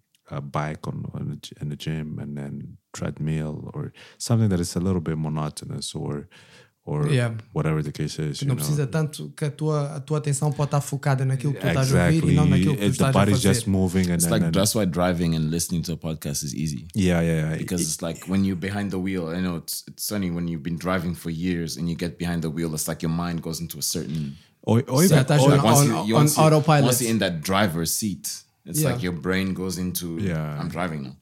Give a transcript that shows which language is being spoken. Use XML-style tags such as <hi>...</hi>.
<en>a bike in the gym and then treadmill or something that is a little bit monotonous or whatever the case is.</en> <pt>Não precisa tanto que a tua atenção pode estar focada naquilo que tu estás a ouvir e não naquilo que tu estás a fazer.</pt> <en>The body's just moving. It's like that's why driving and listening to a podcast is easy. Yeah. Because it's like when you're behind the wheel, I know it's funny when you've been driving for years and you get behind the wheel, it's like your mind goes into a certain... autopilot. Once you're in that driver's seat... It's like your brain goes into I'm driving now.</en>